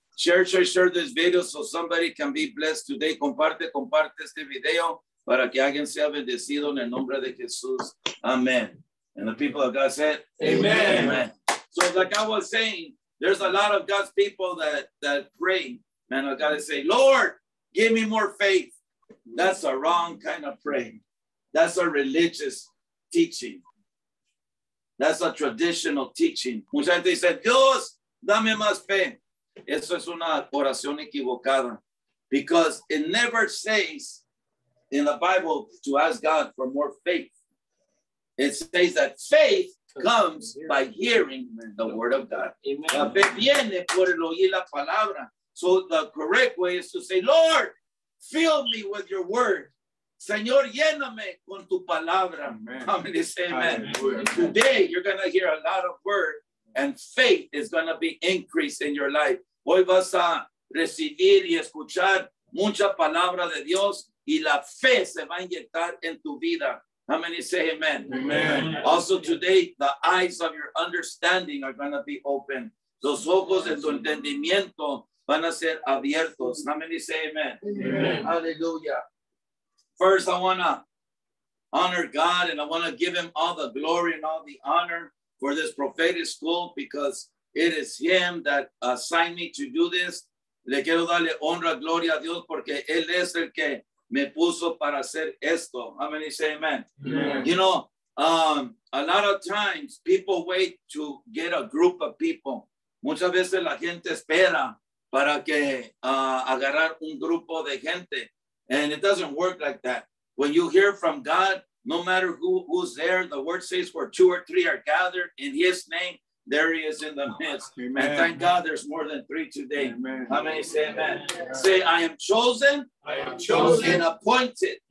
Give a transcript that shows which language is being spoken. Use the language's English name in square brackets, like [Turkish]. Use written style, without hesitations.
[English] Share this video so somebody can be blessed today. [Spanish] Comparte este video para que alguien sea bendecido en el nombre de Jesús. [English] Amen. And the people of God said, amen. Amen. So like I was saying, there's a lot of God's people that pray. Man of God, they say, Lord, give me more faith. That's a wrong kind of praying. That's a religious teaching. That's a traditional teaching. [Spanish] Mucha gente dice, Dios, dame más fe. Eso es una oración equivocada. [English] Because it never says in the Bible to ask God for more faith. It says that faith comes by hearing the word of God. Amen. [Spanish] La fe viene por el oír la palabra. [English] So the correct way is to say, Lord, fill me with your word. [Spanish] Señor, lléname con tu palabra. [English] Amen. Come and say amen. Today, you're going to hear a lot of word, and faith is going to be increased in your life. [Spanish] Hoy vas a recibir y escuchar mucha palabra de Dios, y la fe se va a inyectar en tu vida. [English] How many say amen? Amen. Also today, the eyes of your understanding are going to be open. [Spanish] Los ojos de tu entendimiento van a ser abiertos. [English] How many say amen? Amen. Hallelujah. First, I want to honor God, and I want to give him all the glory and all the honor for this prophetic school, because it is him that assigned me to do this. [Spanish] Le quiero darle honra, gloria a Dios, porque él es el que me puso para hacer esto. [English] How many say amen? Amen. You know, a lot of times people wait to get a group of people. [Spanish] Muchas veces la gente espera para que agarrar un grupo de gente. [English] And it doesn't work like that. When you hear from God, no matter who's there, the word says where two or three are gathered in his name, there he is in the midst. Amen. And thank God there's more than three today. Amen. How many say amen? Amen. Say, I am chosen. I am chosen. And appointed.